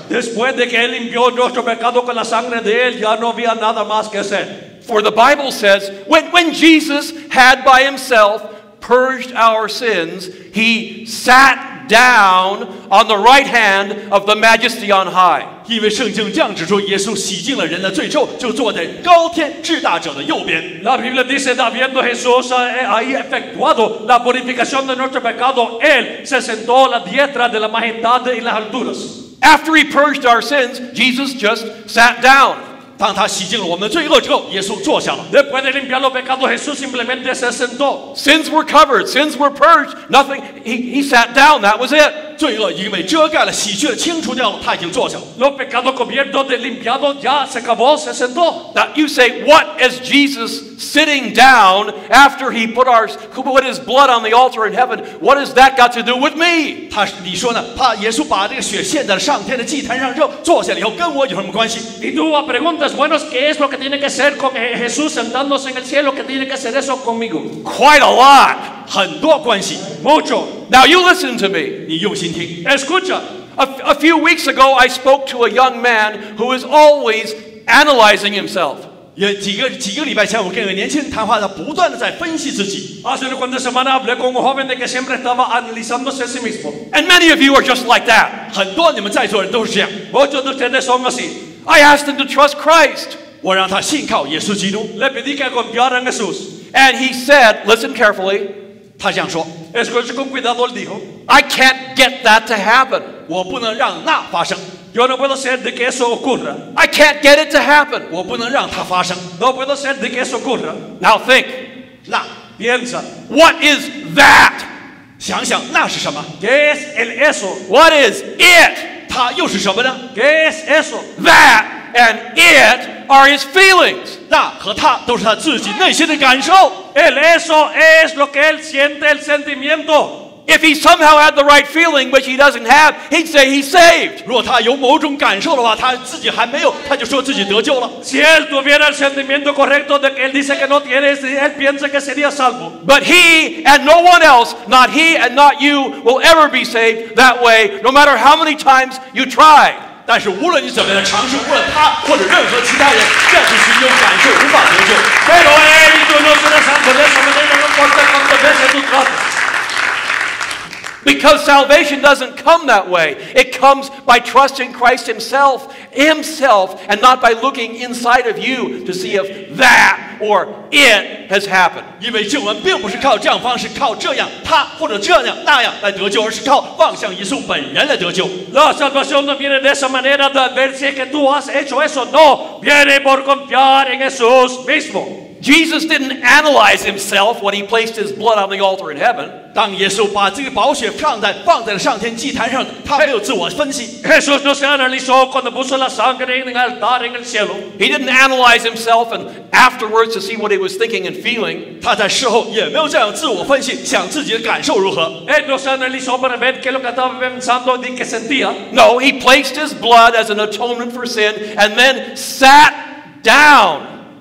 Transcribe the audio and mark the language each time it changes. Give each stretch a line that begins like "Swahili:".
Spanish: Después de que él limpió nuestro pecado con la sangre de él, ya no había nada más que hacer.
English: For the Bible says, when Jesus had by himself purged our sins, he sat down on the right hand of the majesty on high.
Chinese: 因为圣经这样指出，耶稣洗净了人的罪之后，就坐在高天至大者的右边。
Spanish: La Biblia dice, habiendo Jesús ahí efectuado la purificación de nuestro pecado, él se sentó a la diestra de la majestad en las alturas.
English: After he purged our sins, Jesus just sat down.
Chinese: 当他洗净了我们的罪恶之后，耶稣坐下了。
Spanish: Después de limpiar los pecados, Jesús simplemente se sentó.
English: Sins were covered, sins were purged. Nothing. He sat down. That was it.
Chinese: 罪恶已经被遮盖了，洗去了，清除掉了，他已经坐下了。
Spanish: Los pecados cubiertos de limpiados ya se acabó, se sentó.
English: Now you say, what is Jesus sitting down after he put his blood on the altar in heaven? What has that got to do with me?
Chinese: 他，你说呢？他耶稣把这个血献在上天的祭坛上之后，坐下了以后，跟我有什么关系？
Spanish: Y tú preguntas, bueno, ¿qué es lo que tiene que ser con Jesús sentándose en el cielo? ¿Qué tiene que ser eso conmigo?
English: Quite a lot.
Chinese: 很多关系.
Spanish: Mucho.
English: Now you listen to me.
Chinese: 你用心听.
Spanish: Escucha.
English: A few weeks ago, I spoke to a young man who is always analyzing himself.
Chinese: 几个礼拜前，我跟一个年轻人谈话，他不断的在分析自己。
Spanish: Hace unas semanas hablé con un joven de que siempre estaba analizándose a sí mismo.
English: And many of you are just like that.
Chinese: 很多你们在座人都是这样。
Spanish: Muchos de ustedes son así.
English: I asked him to trust Christ.
Chinese: 我让他信靠耶稣基督。
Spanish: Le pedí que confiara en Jesús.
English: And he said, listen carefully.
Chinese: 他这样说,
Spanish: Escucha con cuidado, él dijo.
English: I can't get that to happen.
Chinese: 我不能让那发生。
Spanish: Yo no puedo ser de que eso ocurra.
English: I can't get it to happen.
Chinese: 我不能让它发生.
Spanish: No puedo ser de que eso ocurra.
English: Now think.
Chinese: 那,
Spanish: piensa.
English: What is that?
Chinese: 想想那是什么?
Spanish: ¿Qué es el eso?
English: What is it?
Chinese: 它又是什么呢?
Spanish: ¿Qué es eso?
English: That and it are his feelings.
Chinese: 那和他都是他自己内心的感受.
Spanish: El eso es lo que él siente, el sentimiento.
English: If he somehow had the right feeling, which he doesn't have, he'd say he's saved.
Chinese: 若他有某种感受的话，他自己还没有，他就说自己得救了。
Spanish: Si él tuviera el sentimiento correcto de que él dice que no tiene, él piensa que sería salvo.
English: But he and no one else, not he and not you, will ever be saved that way, no matter how many times you try.
Chinese: 但是无论你怎么样尝试，无论他或者任何其他人，这只是用感受无法得救。
English: Because salvation doesn't come that way. It comes by trusting Christ himself, and not by looking inside of you to see if that or it has happened.
Chinese: 因为救恩并不是靠这样方式，靠这样他或者这样那样来得救， 而是靠望向耶稣本人来得救。
Spanish: La salvación no viene de esa manera de ver si es que tú has hecho eso. No, viene por confiar en Jesús mismo.
English: Jesus didn't analyze himself when he placed his blood on the altar in heaven.
Chinese: 当耶稣把这个宝血放在了上天祭坛上，他没有自我分析。
Spanish: Jesús no se analizó cuando puso la sangre en el altar en el cielo.
English: He didn't analyze himself and afterwards to see what he was thinking and feeling.
Chinese: 他在事后也没有这样自我分析，想自己的感受如何。
Spanish: Él no se analizó para ver qué es lo que estaba pensando ni qué sentía.
English: No, he placed his blood as an atonement for sin and then sat down.